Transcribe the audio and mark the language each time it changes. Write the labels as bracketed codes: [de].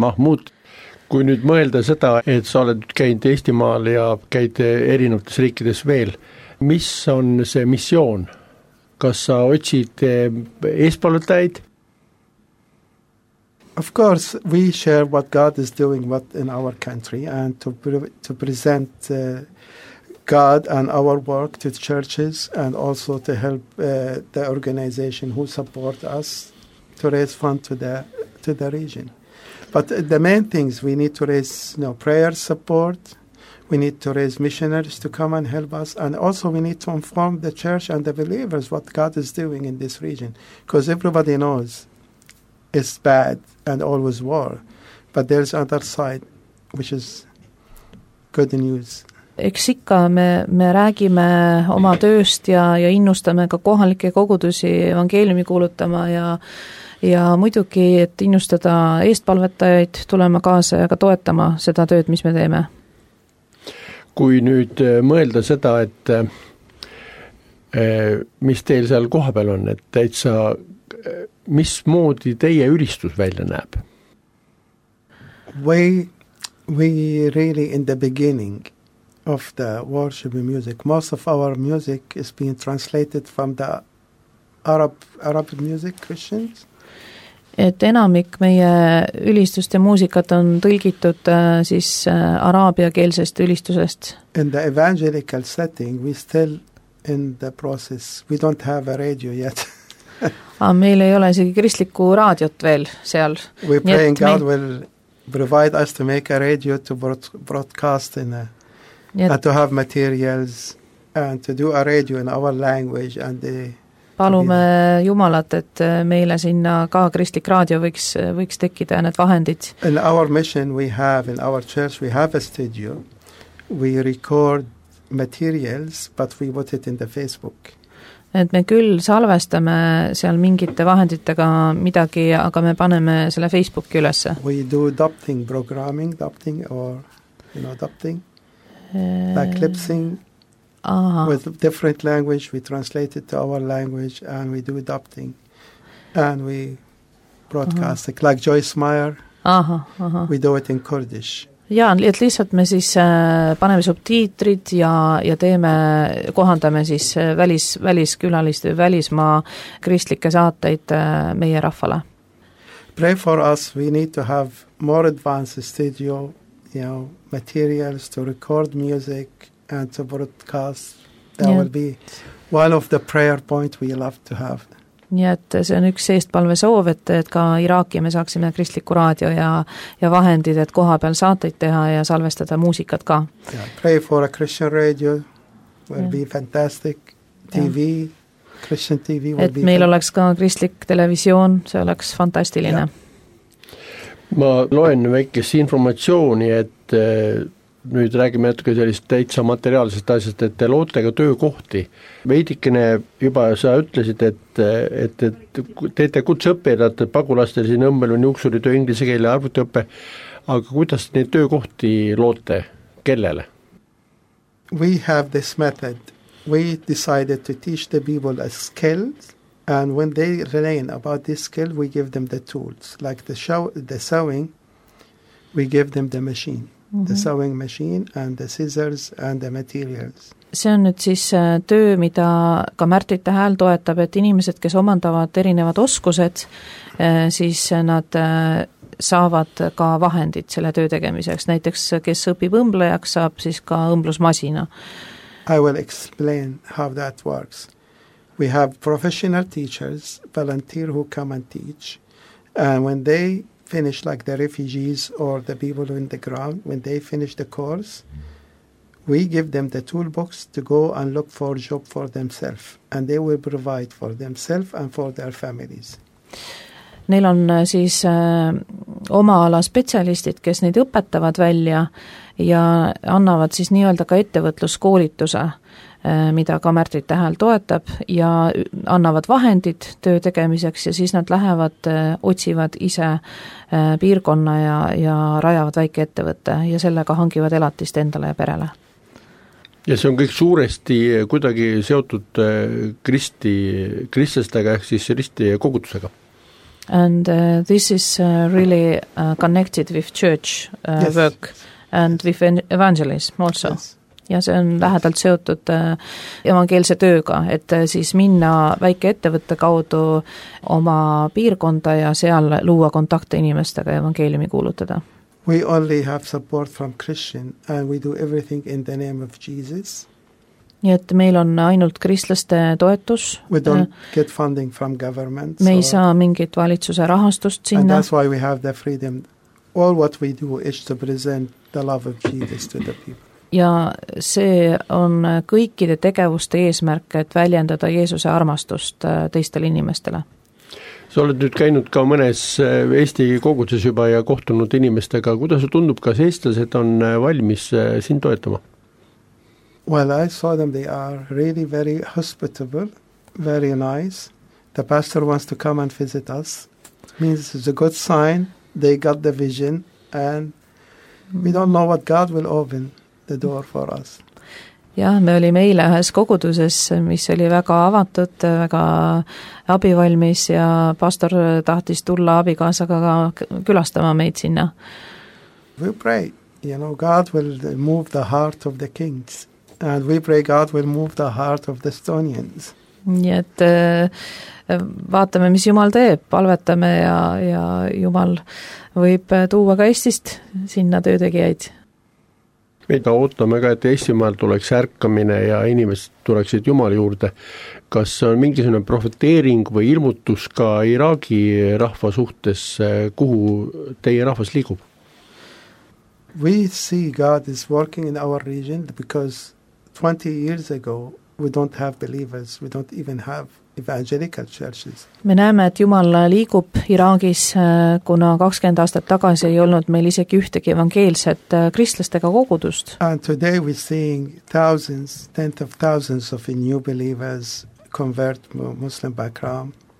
[et] Mahmud, kui nüüd mõelda seda, et sa oled käinud Eestimaal ja käid erinevates riikides veel, mis on see missioon? Kas sa otsid eespalutajaid? [en] Of course, we share what God is doing what in our country and to present God and our work to the churches and also to help the organization who support us to raise funds to the region. But the main things, we need to raise prayer support, we need to raise missionaries to come and help us, and also we need to inform the church and the believers what God is doing in this region. Because everybody knows it's bad and always war, but there's other side which is good news. [et] Eks ikka me räägime oma tööst ja innustame ka kohalike kogudusi evangeeliumi kuulutama ja muidugi, et innustada eestpalvetajaid tulema kaasa ja ka toetama seda tööd, mis me teeme. Kui nüüd mõelda seda, et mis teil seal kohapeal on, et täitsa, mis moodi teie ülistus välja näeb? [en] We really in the beginning of the worship music. Most of our music is being translated from the Arab music Christians. [et] Et enamik meie ülistuste muusikat on tõlgitud siis araabia keelsest ülistusest. [en] In the evangelical setting, we still in the process. We don't have a radio yet. [et] Aga meil ei ole isegi kristliku raadiot veel seal. [en] We pray God will provide us to make a radio to broadcast in a and to have materials and to do a radio in our language and the [et] palume Jumalat, et meile sinna ka kristlik raadio võiks tekkida need vahendid. [en] In our mission we have, in our church we have a studio, we record materials, but we put it in the Facebook. [et] Et me küll salvestame seal mingite vahenditega midagi, aga me paneme selle Facebooki ülesse. [en] We do dubbing, programming, dubbing or dubbing. Like lipsing with different language, we translate it to our language and we do adapting and we broadcast it. Like Joyce Meyer, we do it in Kurdish. [et] Jaa, et lihtsalt me siis paneme subtiitrid ja teeme, kohandame siis väliskülaliste, välismaa kristlike saateid meie rahvale. [en] Pray for us, we need to have more advanced studio materials to record music and to broadcast. That will be one of the prayer points we love to have. [et] Nii et see on üks eestpalve soov, et ka Iraaki me saaksime kristliku raadio ja vahendid, et koha peal saateid teha ja salvestada muusikat ka. [en] Pray for a Christian radio will be fantastic. TV, Christian TV will [et] et [en] be [et] meil the... oleks ka kristlik televisioon, see oleks fantastiline. Ja. Ma loen väikest informatsiooni, et nüüd räägime natuke sellist täitsa materiaalsest asjast, et te loote ka töökohti. Veidikene juba sa ütlesid, et teete kutseõppe, et pagulastel siin õmmel on juksuri töö inglise keele arvutiõppe, aga kuidas neid töökohti loote kellele? [en] We have this method. We decided to teach the people a skill, and when they learn about this skill, we give them the tools. Like the sewing, we give them the machine. The sewing machine and the scissors and the materials. [et] See on nüüd siis töö, mida ka Märtite hääl toetab, et inimesed, kes omandavad erinevad oskused, siis nad saavad ka vahendid selle töö tegemiseks. Näiteks, kes õpib õmblejaks, saab siis ka õmblusmasina. [en] I will explain how that works. We have professional teachers, volunteer who come and teach, and when they finish like the refugees or the people in the ground, when they finish the course, we give them the toolbox to go and look for a job for themselves, and they will provide for themselves and for their families. [et] Neil on siis oma ala spetsialistid, kes neid õpetavad välja ja annavad siis nii-öelda ka ettevõtluskoolituse, mida ka Märtit tähel toetab ja annavad vahendid töö tegemiseks ja siis nad lähevad, otsivad ise piirkonna ja rajavad väike ettevõtte ja sellega hangivad elatist endale ja perele. Ja see on kõik suuresti kuidagi seotud kristlastega, ehk siis risti kogutusega. [en] And this is really connected with church yes. work and yes. with evangelism also. Yes. [et] Ja see on lähedalt seotud evangeelse tööga, et siis minna väike ettevõtte kaudu oma piirkonda ja seal luua kontakte inimestega evangeeliumi kuulutada. [en] We only have support from Christian and we do everything in the name of Jesus. [et] Nii et meil on ainult kristlaste toetus. [en] We don't get funding from government. [et] Me ei saa mingit valitsuse rahastust sinna. [en] And that's why we have the freedom. All what we do is to present the love of Jesus to the people. [et] Ja see on kõikide tegevuste eesmärk, et väljendada Jeesuse armastust teistele inimestele. Sa oled nüüd käinud ka mõnes Eesti koguduses juba ja kohtunud inimestega. Kuidas sa tundub, kas eestlased on valmis siin toetama? [en] Well, I saw them, they are really very hospitable, very nice. The pastor wants to come and visit us. Means it's a good sign, they got the vision, and we don't know what God will open the door for us. [et] Ja me olime eile ühes koguduses, mis oli väga avatud, väga abivalmis ja pastor tahtis tulla abikaasaga ka külastama meid sinna. [en] We pray, you know, God will move the heart of the kings. And we pray God will move the heart of the Estonians. [et] Nii et vaatame, mis Jumal teeb, palvetame ja Jumal võib tuua ka Eestist sinna töötegijaid. Me ootame ka, et Eestimaal tuleks ärkamine ja inimesed tuleksid Jumal juurde. Kas on mingisugune profeteering või ilmutus ka Iraagi rahva suhtes, kuhu teie rahvas liigub? [en] We see God is working in our region because 20 years ago, we don't have believers, we don't even have evangelical churches. [et] Me näeme, et Jumal liigub Iraagis, kuna 20 aastat tagasi ei olnud meil isegi ühtegi evangeelset kristlastega kogudust. [en] And today we're seeing thousands, tens of thousands of new believers convert Muslim background.